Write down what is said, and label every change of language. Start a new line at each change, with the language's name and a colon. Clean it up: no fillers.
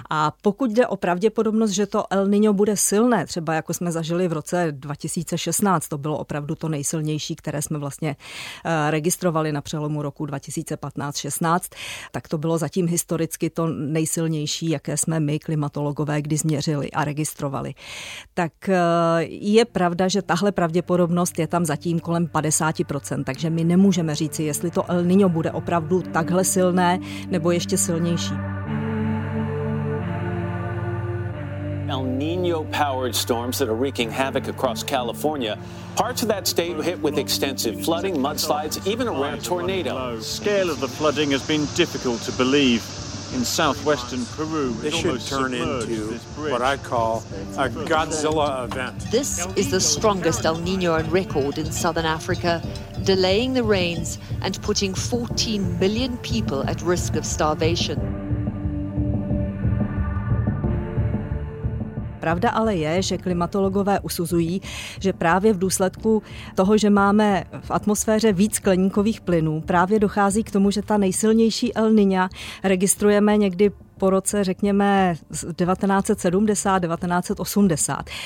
Czech: A pokud jde o pravděpodobnost, že to El Niño bude silné, třeba jako jsme zažili v roce 2016, to bylo opravdu to nejsilnější, které jsme vlastně registrovali na přelomu roku 2015-16, tak to bylo zatím historicky to nejsilnější, jaké jsme my klimatologové kdy změřili a registrovali. Tak je pravda, že tahle pravděpodobnost je tam zatím kolem 50%, takže my nemůžeme říci, jestli to El Niño bude opravdu takhle silné nebo ještě silnější.
English: El Niño-powered storms that are wreaking havoc across California. Parts of that state were hit with extensive flooding, mudslides, even a rare tornado. The scale of the flooding has been difficult to believe. in southwestern Peru. This should turn into what I call a Godzilla event. This is the strongest El Niño on record in southern Africa, delaying the rains and putting 14 million people at risk of starvation.
Czech: Pravda ale je, že klimatologové usuzují, že právě v důsledku toho, že máme v atmosféře víc skleníkových plynů, právě dochází k tomu, že ta nejsilnější El Niña registrujeme někdy po roce, řekněme, 1970, 1980.